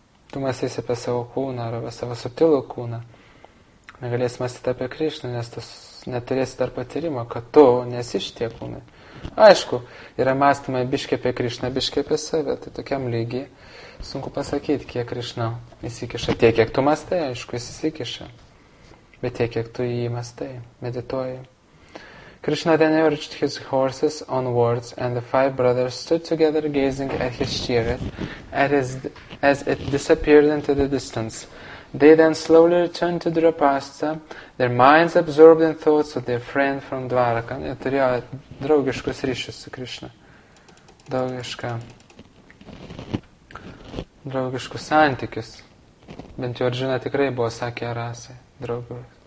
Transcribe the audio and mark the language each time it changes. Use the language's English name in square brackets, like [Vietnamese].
[Lithuanian] Tu mąstysi apie savo kūną, ar apie savo subtilų kūną. Negalėsi mąstyti apie Krishna, nes tu neturėsi dar patyrimo, kad tu nesi šitie kūnai. Aišku, yra mąstymai biškiai apie Krishna, biškiai apie save, tai tokiam lygiai sunku pasakyti, kiek Krishna įsikiša. Tiek, kiek tu mąstai, aišku, jis įsikiša. Bet tiek, kiek tu jį mąstai, medituoji. [English] Krishna then urged his horses onwards, and the five brothers stood together gazing at his chariot as it disappeared into the distance. They then slowly returned to Draupadsa, their minds absorbed in thoughts of their friend from Dvaraka. [Lithuanian] Jie turėjo draugiškus ryšius su Krishna. Draugiškus santykius. Bent jau Arjuna tikrai buvo sakę rasai draugus.